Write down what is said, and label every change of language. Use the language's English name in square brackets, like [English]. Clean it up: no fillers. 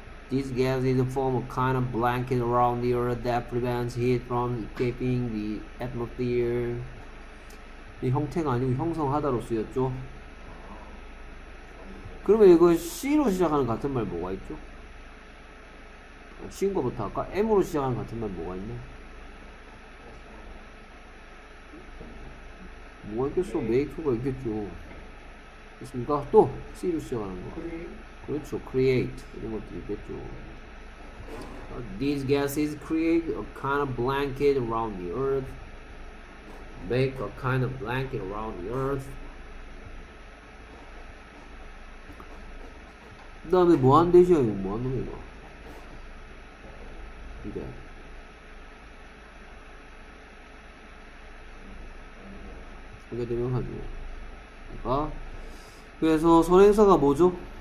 [English] This gas is a form of kind of blanket around the earth that prevents heat from escaping the atmosphere. [Korean] 이 형태가 아니고 형성하다로 쓰였죠? 그러면 이거 C로 시작하는 같은 말 뭐가 있죠? 쉬운 거부터 할까? M으로 시작하는 같은 말 뭐가 있냐? 뭐가 있겠어? 메이크가 있겠죠. 됐습니까? 또 C로 시작하는 거. 그렇죠. Create 이런 것도 있겠죠. [English] These gases create a kind of blanket around the earth. Make a kind of blanket around the earth. [Korean] 그 다음에 뭐 하는 대신 이거 뭐 하는 거야? 이제 그게 되면 하죠. 그러니까 그래서 선행사가 뭐죠?